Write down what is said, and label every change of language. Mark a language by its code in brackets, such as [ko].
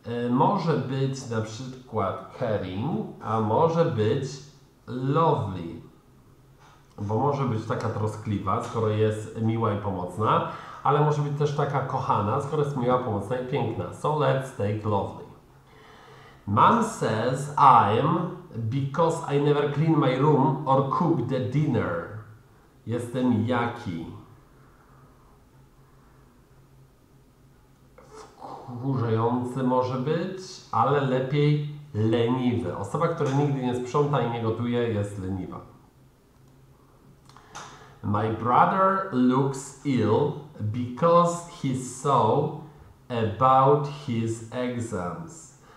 [pl] Może być na przykład caring, a może być lovely. Bo może być taka troskliwa, skoro jest miła i pomocna, ale może być też taka kochana, skoro jest miła, pomocna i piękna. [en] So let's take lovely. Mom says I'm because I never clean my room or cook the dinner. [pl] Jestem jaki? Wkurzający może być, ale lepiej leniwy. Osoba, która nigdy nie sprząta i nie gotuje, jest leniwa. [en] My brother looks ill because he saw about his exams.